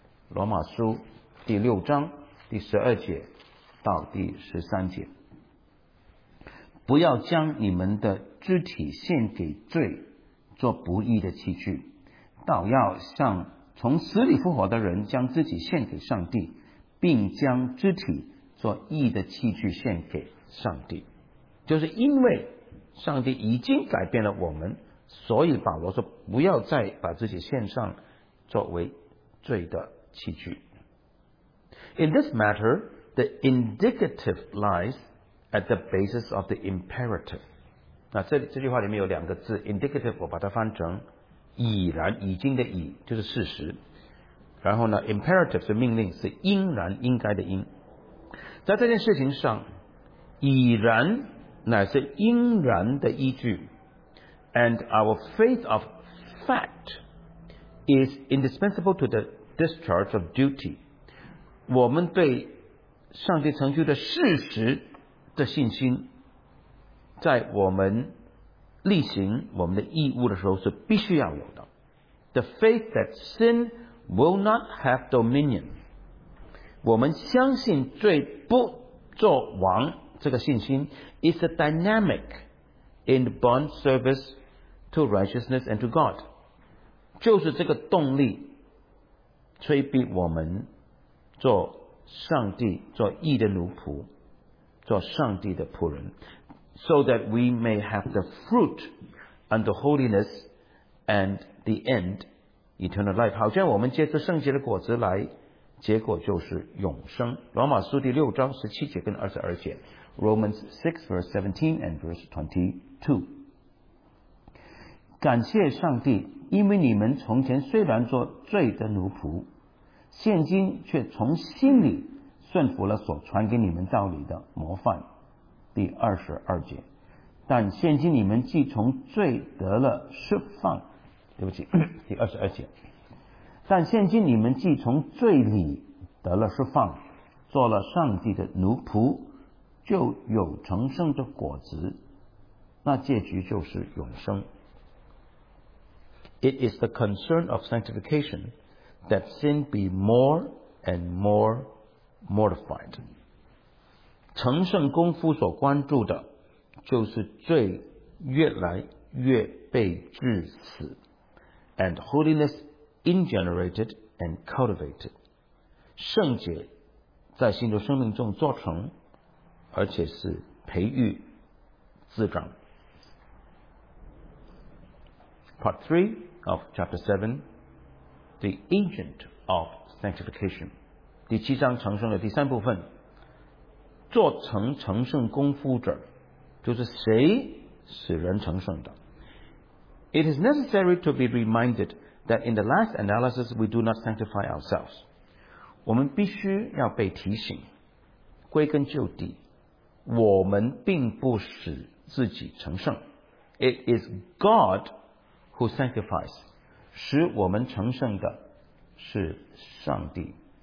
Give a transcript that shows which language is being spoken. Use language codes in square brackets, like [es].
[zh] 罗马书第六章第十二节到第十三节，不要将你们的肢体献给罪做不义的器具，倒要像从死里复活的人将自己献给上帝，并将肢体做义的器具献给上帝。就是因为上帝已经改变了我们，所以保罗说不要再把自己献上作为罪的器具。 [en] In this matter, the indicative lies at the basis of the imperative. [zh] 那 这句话里面有两个字 indicative， 我把它翻成已然，已经的已就是事实，然后呢 imperative 是命令，是应然应该的应。在这件事情上，已然乃是应然的依据， [en] and our faith of fact is indispensable to the discharge of duty， [zh] 我们对上帝成就的事实的信心，在我们例行我们的义务的时候是必须要有的。 [en] The faith that sin will not have dominion， [zh] 我们相信罪不作王，这个信心 [en] is a dynamic in bond service to righteousness and to God， [zh] 就是这个动力催逼我们做上帝，做义的奴仆，做上帝的仆人。 [en] So that we may have the fruit and the holiness and the end eternal life， [zh] 好像我们接着圣洁的果子来，结果就是永生。罗马书第六章十七节跟二十二节， [en] Romans 6 verse 17 and verse 22。 [zh] 感谢上帝，因为你们从前虽然做罪的奴仆，现今却从心里顺服了所传给你们道理的模范。第二十二节，但现今你们既从罪得了释放，对不起，第二十二节，但现今你们既从罪里得了释放，做了上帝的奴仆，就有成圣的果子，那结局就是永生。 [en] It is the concern of sanctification that sin be more and more mortified， [zh] 成圣功夫所关注的就是罪越来越被致死， [en] and holiness ingenerated and cultivated， [zh] 圣洁在信徒生命中做成，而且是培育滋长。 [en] Part 3 of Chapter 7， The Agent of Sanctification， [zh] 第七章成圣的第三部分，做成成圣功夫者，就是谁使人成圣的。 [en] It is necessary to be reminded that in the last analysis we do not sanctify ourselves， [zh] 我们必须要被提醒，归根究底我们并不使自己成圣。 [en] It is God who sanctifies， [zh] 使我们成圣的是上帝。